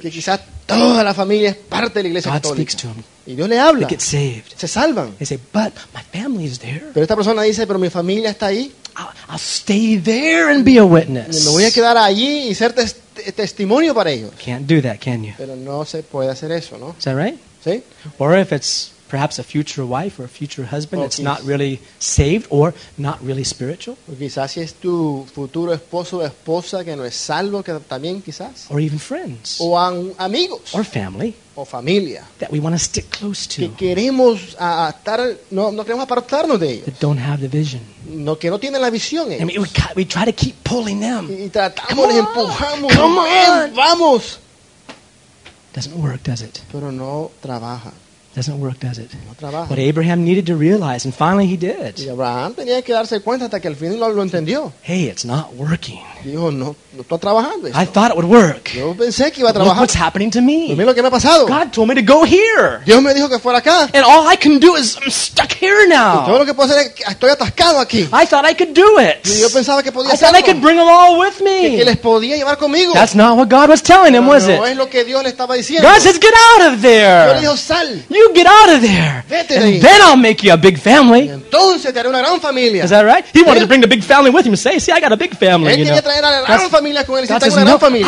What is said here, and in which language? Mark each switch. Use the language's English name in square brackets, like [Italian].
[Spanish] Que quizás toda la familia es parte de la iglesia [English] God [Spanish] católica. [English] God speaks to them. [Spanish] Y Dios le habla. [English] They get saved. [Spanish] Se salvan. [English] They say, but my family is there. [Spanish] Pero esta persona dice, pero mi familia está ahí. [English] I'll stay there and be a witness. [Spanish] Me voy a quedar allí y ser testimonio para ellos. [English] Can't do that, can you? [Spanish] Pero no se puede hacer eso, ¿no? [English] Is that right? [Spanish] Sí. [English] Or if it's perhaps a future wife or a future husband that's not really saved or not really spiritual. [Spanish] Quizás si es tu futuro esposo o esposa que no es salvo, que también quizás. [English] Or even friends. [Spanish] O amigos. [English] Or family. [Spanish] O familia. [English] That we want to stick close to. [Spanish] Que queremos estar, no queremos apartarnos de ellos. [English] That don't have the vision. [Spanish] No, que no tienen la visión ellos. [English] I mean, we try to keep pulling them. [Spanish] Y tratamos, [English] come on, [Spanish] empujamos. [English] Come on. [Spanish] Vamos. [English] Doesn't work, does it? [Spanish] Pero no trabaja. [English] Doesn't work, does it? [Spanish] No trabaja. [English] But Abraham needed to realize, and finally he did. [Spanish] Y Abraham tenía que darse cuenta hasta que al fin lo entendió. [English] Hey, it's not working. [Spanish] Dijo, no estoy trabajando esto. [English] I thought it would work. [Spanish] Yo pensé que iba a trabajar. [English] Look what's happening to me. [Spanish] Pues mira lo que me ha pasado. [English] God told me to go here. [Spanish] Dios me dijo que fuera acá. [English] And all I can do is I'm stuck here now. [Spanish] Y todo lo que puedo hacer es que estoy atascado aquí. [English] I thought I could do it. [Spanish] Y yo pensaba que podía [English] I [Spanish] hacerlo. [English] Thought I could bring them all with me. [Spanish] Que les podía llevar conmigo. [English] That's not what God was telling him, was it? [Spanish] No es lo que Dios le estaba diciendo. [English] God says, get out of there. [Spanish] Yo dijo, sal. [English] You get out of there. [Spanish] Vete [English] and [Spanish] ahí. [English] Then I'll make you a big family. [Spanish] Entonces, te haré una gran familia. [English] Is that right? He wanted to bring the big family with him and say, see, I got a big family. You know? [Spanish] Traer a la familia con él, si tengo una gran familia.